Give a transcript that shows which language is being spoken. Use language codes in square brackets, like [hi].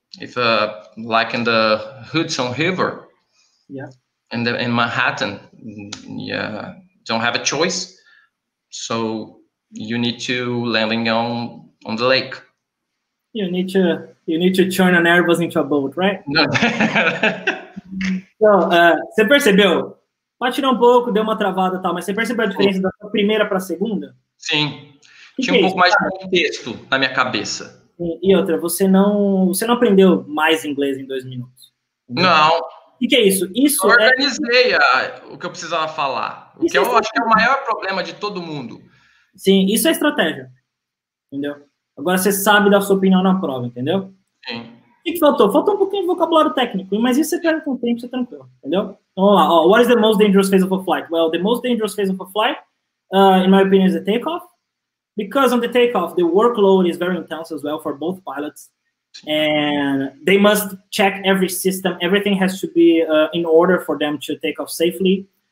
[en] If like in the Hudson River, yeah, and in Manhattan, yeah, don't have a choice, so you need to landing on the lake. You need to turn an Airbus into a boat, right? No. [pt] Então, você percebeu? Patinou um pouco, deu uma travada e tal, mas você percebeu a diferença da sua primeira para a segunda? Sim. Tinha um pouco mais de contexto na minha cabeça. E outra, você não aprendeu mais inglês em 2 minutos? Não. O que é isso? Isso eu organizei o que eu precisava falar. O que eu acho que é o maior problema de todo mundo. Sim, isso é estratégia. Entendeu? Agora você sabe dar sua opinião na prova, entendeu? Sim. O que faltou? Faltou um pouquinho de vocabulário técnico, mas isso você pega com o tempo, você tranquilo, entendeu? Então, vamos lá. [en] Oh, what is the most dangerous phase of a flight? Well, the most dangerous phase of a flight, in my opinion, is the takeoff. Because on the takeoff, the workload is very intense as well for both pilots. And they must check every system. Everything has to be in order for them to take off safely.